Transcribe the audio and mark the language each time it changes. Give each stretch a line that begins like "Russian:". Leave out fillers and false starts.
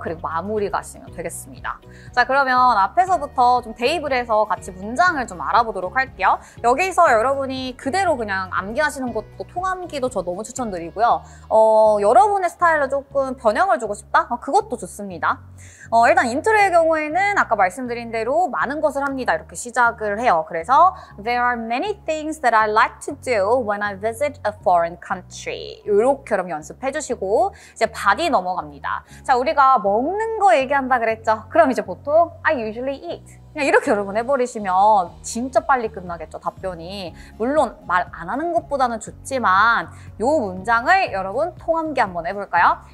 Korean: 그리고 마무리 가시면 되겠습니다. 자, 그러면 앞에서부터 좀 대입을 해서 같이 문장을 좀 알아보도록 할게요. 여기서 여러분이 그대로 그냥 암기하시는 것도 통암기도 저 너무 추천드리고요. 여러분의 스타일로 조금 변형을 주고 싶다? 그것도 좋습니다. 일단 인트로의 경우에는 아까 말씀드린 대로 많은 것을 합니다 이렇게 시작을 해요. 그래서
English: There are many things that I like to do when I visit a foreign country.
Korean: 이렇게 여러분 연습해 주시고 이제 바디 넘어갑니다. 자, 우리가 먹는 거 얘기한다 그랬죠?
English: 그럼 이제 보통 I usually eat.
Korean: 그냥 이렇게 여러분 해버리시면 진짜 빨리 끝나겠죠, 답변이. 물론 말 안 하는 것보다는 좋지만 요 문장을 여러분 통암기 한번 해볼까요?